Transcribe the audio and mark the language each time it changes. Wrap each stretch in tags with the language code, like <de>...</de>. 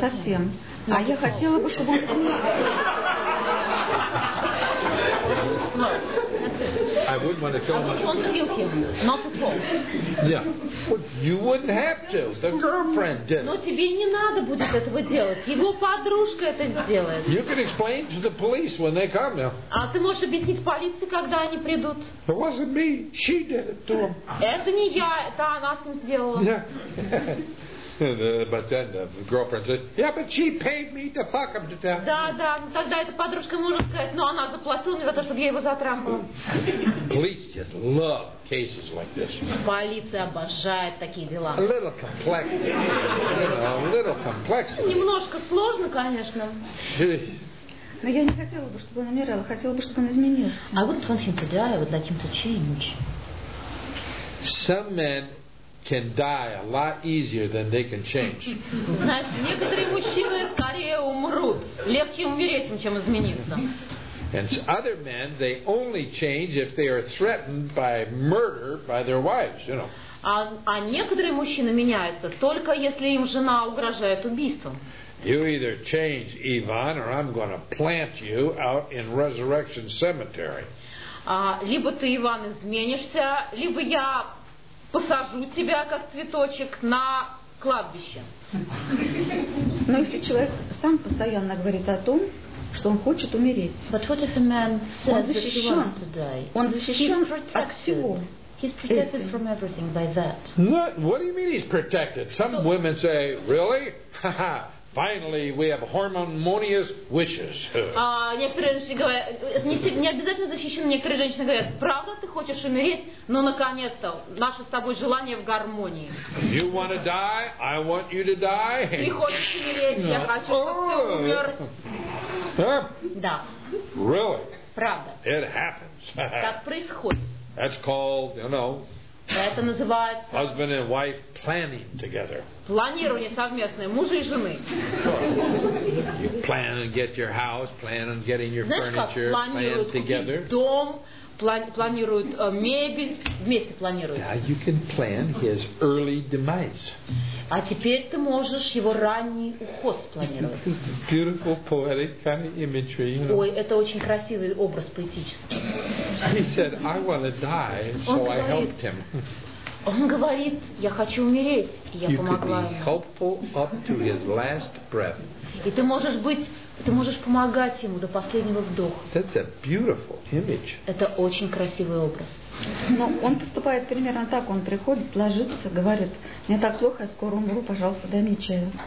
<ru>совсем. А я хотела бы, чтобы он.</ru> <en>I wouldn't want to kill him. I wouldn't want to kill him. Not at all. Yeah. But you wouldn't have to. The girlfriend did.</en> <ru>Но тебе не надо будет этого делать. Его подружка это сделает.</ru> <en>You can explain to the police when they come.</en> <ru>А ты можешь объяснить полиции, когда они придут?</ru> <en>It wasn't me. She did it to him.</en> <ru>Это не я. Это она с ним сделала.</ru> <en>Yeah. But then the girlfriend said, "Yeah, but she paid me to fuck him to death."</en> <ru>Да, да. Тогда эта подружка может сказать, но она заплатила мне за то, чтобы я его затрахала.</ru> <en>Police just love cases like this.</en> <ru>Полиция обожает такие дела.</ru> <en>A little complex.</en> <ru>Немножко сложно, конечно. Но я не хотела бы, чтобы он умирал, хотела бы, чтобы он изменился.</ru> <en>I wouldn't want him to die. I would like him to change. Some men can die a lot easier than they can change.</en> <ru>Знаешь, некоторые мужчины скорее умрут, легче умереть, чем измениться.</ru> <en>And other men, they only change if they are threatened by murder by their wives, you know.</en> <ru>А некоторые мужчины меняются только если им жена угрожает убийством.</ru> <en>You either change, Ivan, or I'm going to plant you out in Resurrection Cemetery.</en> <ru>Либо ты, Иван, изменишься, либо я посажу тебя как цветочек на кладбище. Но если человек сам постоянно говорит о том, что он хочет умереть.</ru> <en>But what if a man says that he wants to die?</en> <ru>Он защищен от всего.</ru> <en>He's protected from everything by that. What do you mean he's protected? Some women say, really? Finally, we have harmonious wishes.</en> <ru>Некоторые женщины говорят, не обязательно защищены. Некоторые женщины говорят, правда, ты хочешь умереть, но наконец-то наше с тобой желание в гармонии.</ru> <en>You want to die? I want you to die.</en> <ru>Ты хочешь умереть? Я хочу, чтобы ты умер. Да.</ru> <en>Really?</en> <ru>Правда.</ru> <en>It happens.</en> <ru>Так происходит.</ru> <en>That's called, you know.</en> <ru>Это называется.</ru> <en>Husband and wife planning together.</en> <ru>Планирование совместное мужа и жены.</ru> <en>You plan and get your house, plan and getting your furniture, plan together.</en> <ru>Дом, планируют мебель вместе планируют.</ru> <en>Now you can plan his early demise.</en> <ru>А теперь ты можешь его ранний уход спланировать.</ru> <en>Beautiful poetic kind of imagery. You know.</en> <ru>Ой, это очень красивый образ поэтический.</ru> <en>He said, "I want to die, so</en> <ru>он говорит,</ru> <en>I helped him."</en> <ru>Он говорит, я хочу умереть, я помогла ему.</ru> <en>You could be helpful up to his last breath.</en> <ru>И ты можешь помогать ему до последнего вдоха.</ru> <en>That's a beautiful image.</en> <ru>Это очень красивый образ. Но он поступает примерно так. Он приходит, ложится, говорит, мне так плохо, я скоро умру, пожалуйста, дай мне чаю.</ru>